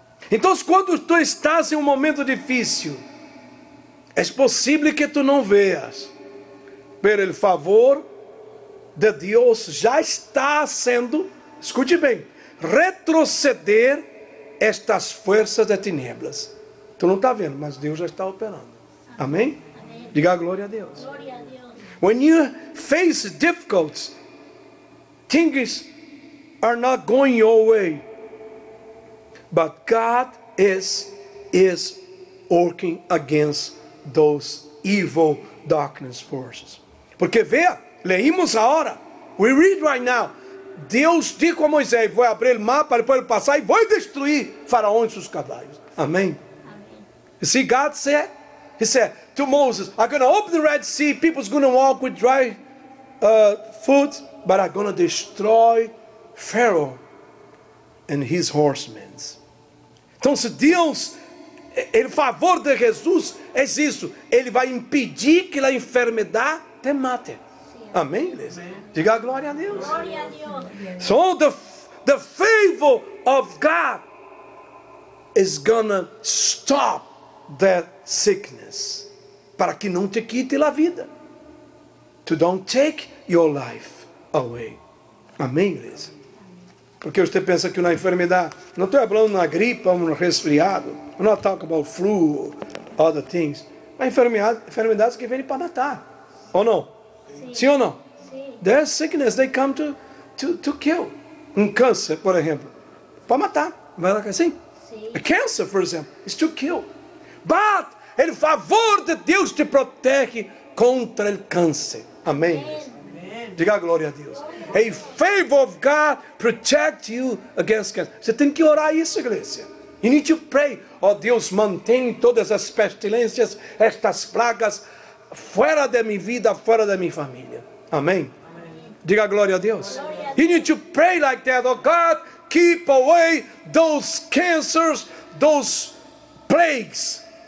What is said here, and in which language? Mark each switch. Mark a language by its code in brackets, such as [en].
[pt] Então, quando tu estás em momento difícil, é possível que tu não veas. Pelo favor de Deus já está sendo, escute bem, retroceder estas forças das tinieblas. Tu não está vendo, mas Deus já está operando. Amém? Diga a glória a Deus. [en] When you face difficulties, things are not going your way, but God is working against those evil darkness forces. [pt] Porque vê, leímos agora. [en] We read right now. [pt] Deus disse a Moisés: vou abrir o mar para depois ele passar e vou destruir Faraó e seus cavalos. Amém? [en] Amém. You see, God said, he said to Moses, I'm going to open the Red Sea. People's going to walk with dry foot, but I'm going to destroy Pharaoh and his horsemen. [pt] Então, se Deus, em favor de Jesus, é isso, ele vai impedir que a enfermidade te mate. Amém, igreja? Diga a glória a Deus. Glória a Deus. [en] So the favor of God is gonna stop that sickness. [pt] Para que não te quite a vida. [en] to don't take your life away. [pt] Amém, igreja? Porque você pensa que na enfermidade, não estou falando na gripe, ou no resfriado, [en] I'm not talking about flu, or other things. [pt] A enfermidade que vem para matar. Ou não? Sim. Sim ou não? Sim. [en] There's sickness, they come to kill. [pt] Um câncer, por exemplo. Para matar. Vai lá assim? Sim. [en] A cancer, for example, is to kill. But, [pt] em favor de Deus, te protege contra o câncer. Amém. Amém. Diga a glória a Deus. [en] Em favor of God, protect you against cancer. [pt] Você tem que orar isso, igreja. [en] You need to pray. [pt] Oh, Deus, mantém todas as pestilências, estas pragas, fora da minha vida, fora da minha família. Amém? Amém. Diga glória a Deus. Glória a Deus. [en] You need to pray like that. Oh, God, keep away those cancers, those plagues.